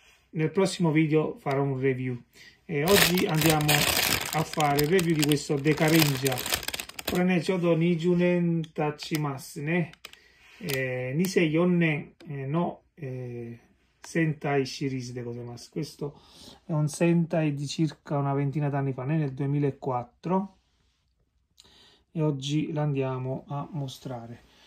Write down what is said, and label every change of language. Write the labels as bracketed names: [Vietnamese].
[Italian] Nel prossimo video farò un review. Oggi andiamo a fare il review di questo Deca Ranger. [Japanese] これね、ちょうど20年経ちますね。2004年の、戦隊シリーズでございます。 [Italian] Questo è un Sentai di circa una ventina d'anni fa, nel 2004. E oggi l'andiamo a mostrare.